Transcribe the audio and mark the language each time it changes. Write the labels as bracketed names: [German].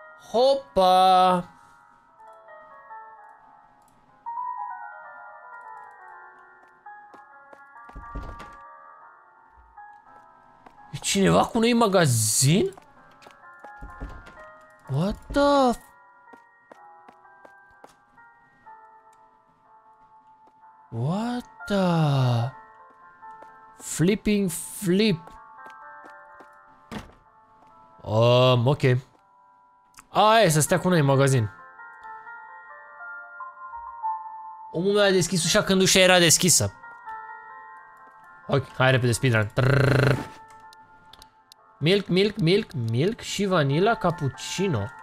[Romanian] Hopa! E cineva cu noi în magazin? [English] What the f- What the flipping flip. [Romanian] Ok. Aia, să stea cu noi în magazin. Omul meu a deschis ușa când ușa era deschisă. Ok, hai repede, speedrun. Trrr. [English] Milk, milk, milk, milk și vanilla cappuccino.